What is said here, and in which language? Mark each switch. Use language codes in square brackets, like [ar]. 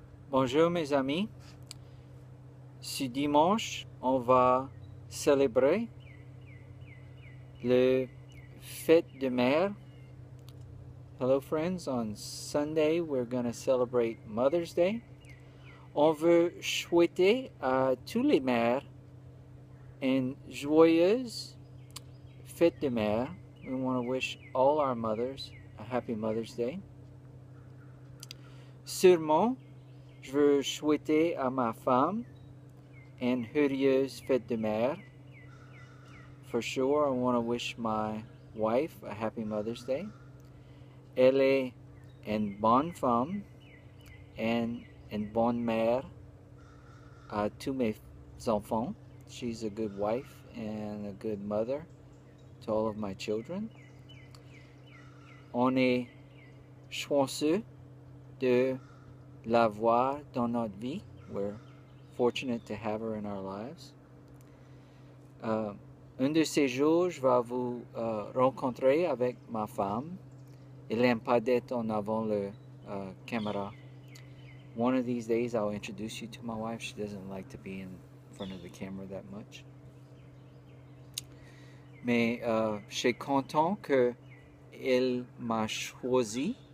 [fr] Bonjour mes amis, ce dimanche on va célébrer le fête de mère. [en] Hello friends, on Sunday we're going to celebrate Mother's Day. [fr] On veut souhaiter à tous les mères une joyeuse fête de mère. [en] We want to wish all our mothers a happy Mother's Day. [fr] Sûrement, je veux souhaiter à ma femme une heureuse fête de mère. [en] For sure, I want to wish my wife a happy Mother's Day. [fr] Elle est une bonne femme et une bonne mère à tous mes enfants. [en] She's a good wife and a good mother to all of my children. [fr] On est chanceux de l'avoir dans notre vie. [en] We're fortunate to have her in our lives. [fr] Un de ces jours, je vais vous rencontrer avec ma femme. Elle n'aime pas d'être en avant le caméra. [en] One of these days, I'll introduce you to my wife. She doesn't like to be in front of the camera that much. [fr] Mais je suis content que elle m'a choisi.